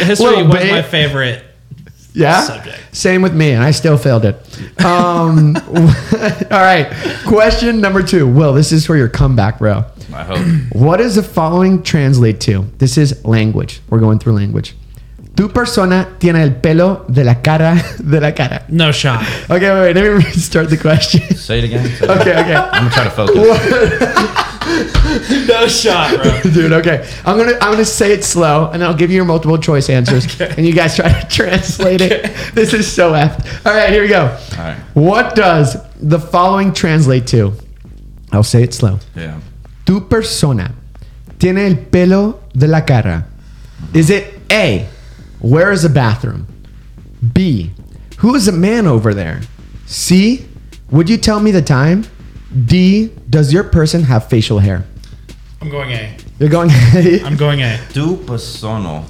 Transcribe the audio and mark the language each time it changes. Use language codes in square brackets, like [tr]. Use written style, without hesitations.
[en] History was my favorite subject. Same with me, and I still failed it. all right. Question number two. Will, this is for your comeback, bro. I hope. What does the following translate to? This is language. We're going through language. [es] Tu persona tiene el pelo de la cara. [en] No shot. Okay, wait. Let me restart the question. Say it again. Okay. I'm gonna try to focus. No shot, bro. Dude, okay. I'm gonna say it slow, and I'll give you your multiple choice answers, okay. And you guys try to translate it. This is so effed. All right, here we go. All right. What does the following translate to? I'll say it slow. Yeah. [es] Tu persona tiene el pelo de la cara. [en] Is it A, where is the bathroom? B, who is the man over there? C, would you tell me the time? D, does your person have facial hair? I'm going A. You're going A? I'm going A. [es] Tu persona.